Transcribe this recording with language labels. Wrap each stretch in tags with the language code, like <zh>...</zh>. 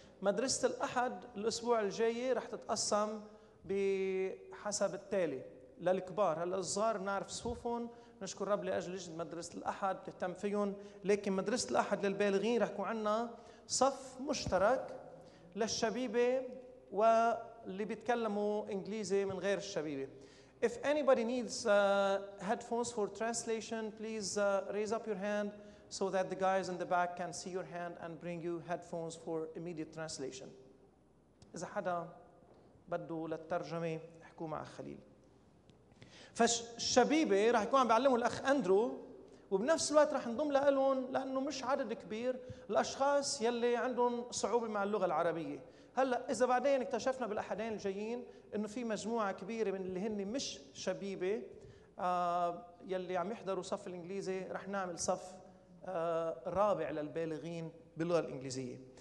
<ar>مدرسة الأحد الأسبوع الجاي رح تتقسم بحسب التالي للكبار. هلأ الصغار نعرف صفوفهم، نشكر رب لأجل لجنة مدرسة الأحد تهتم فيهم، لكن مدرسة الأحد للبالغين رح يكون عنا صف مشترك للشبيبة واللي بيتكلموا إنجليزي من غير الشبيبة.</ar> <en>If anybody needs headphones for translation, please raise up your hand so that the guys in the back can see your hand and bring you headphones for immediate translation.</en> <ar>إذا حدا بده للترجمة احكوا مع خليل. فالشبيبة راح يكون عم بيعلمه الأخ أندرو، وبنفس الوقت راح نضم لقلهم لأنه مش عدد كبير الأشخاص يلي عندهم صعوبة مع اللغة العربية. هلأ إذا بعدين اكتشفنا بالأحدين الجايين إنه في مجموعة كبيرة من اللي هن مش شبيبة يلي عم يحضروا صف الإنجليزي، راح نعمل صف رابع للبالغين باللغة الإنجليزية.</ar>